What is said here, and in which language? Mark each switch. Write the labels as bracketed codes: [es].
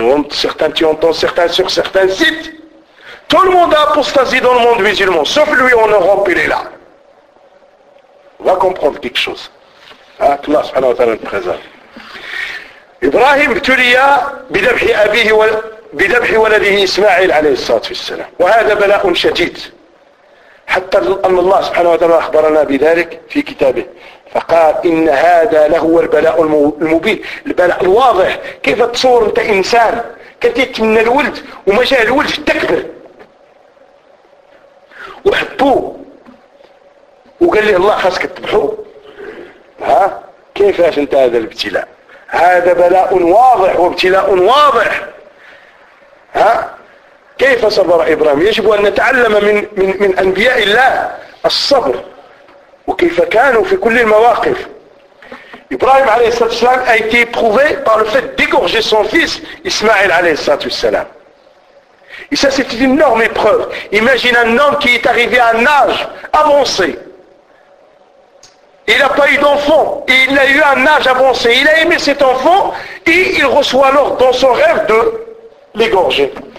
[fr] Certains tu entends certains sur certains sites. Tout le monde a apostasie dans le monde musulman, sauf lui en Europe, il est là. On va comprendre quelque chose. [ar] آت الله سبحانه وتعالى بخزان. إبراهيم ابتلي بذبح أبيه بذبح ولده إسماعيل عليه الصلاة والسلام، وهذا بلاء شديد، حتى أن الله سبحانه وتعالى أخبرنا بذلك في كتابه، فقال إن هذا لهو البلاء المبين، البلاء الواضح. كيف تصور أنت إنسان كتبت من الولد وما جاء الولد تكبر وحبوه وقال لي الله خاصك تذبحوه، ها كيف أنت هذا الابتلاء؟ هذا بلاء واضح وابتلاء واضح، ها كيف صبر إبراهيم؟ يجب أن نتعلم من من من أنبياء الله الصبر وكيف كانوا في كل المواقف. إبراهيم عليه الصلاة والسلام [fr] a été éprouvé par le fait d'égorger son fils Ismaël [ar] عليه الصلاة والسلام. [fr] Et ça c'est une énorme épreuve. Imagine un homme qui est arrivé à un âge avancé. Il n'a pas eu d'enfant. Il a eu un âge avancé. Il a aimé cet enfant et il reçoit alors dans son rêve de l'égorger.